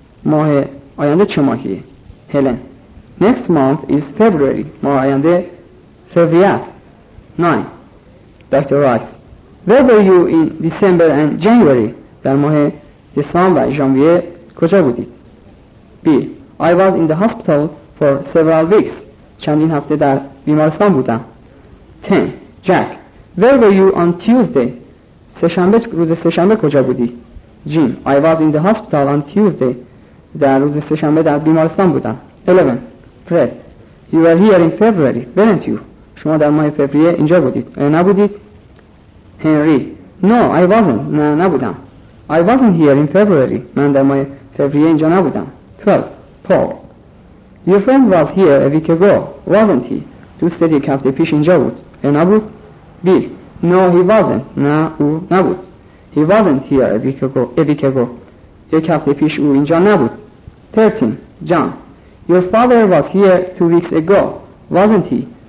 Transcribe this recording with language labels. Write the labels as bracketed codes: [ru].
[fa] ماه آینده چه ماهیه؟ Helen. [en] Next month is February. [fa] ماه آینده فوریه است. [en] 9. Dr. Rice. Where were you in December and January? [fa] در ماه دسامبر و ژانویه کجا بودید؟ B. [en] I was in the hospital for several weeks. [fa] چندین هفته در بیمارستان بودم. [en] 10. Jack. Where were you on Tuesday? [fa] سه‌شنبه روز سه‌شنبه کجا بودی؟ [en] Jim. I was in the hospital on Tuesday. [fa] در روز سه‌شنبه در بیمارستان بودم. [en] 11. Fred, you were here in February, weren't you? [fa] شما در ماه فوریه اینجا بودید. نبودید؟ Henry, [en] no, I wasn't. [fa] نه نبودم. [en] I wasn't here in February. [fa] من در ماه فوریه اینجا نبودم. [en] 12. Paul, your friend was here a week ago, wasn't he? [fa] دوست یک هفته پیش اینجا بود. نبود؟ Bill, [en] no, he wasn't. [fa] نه او نبود. [en] He wasn't here a week ago. [fa] یک هفته پیش او اینجا نبود. [en] 13. John, your father was here 2 weeks ago, wasn't he?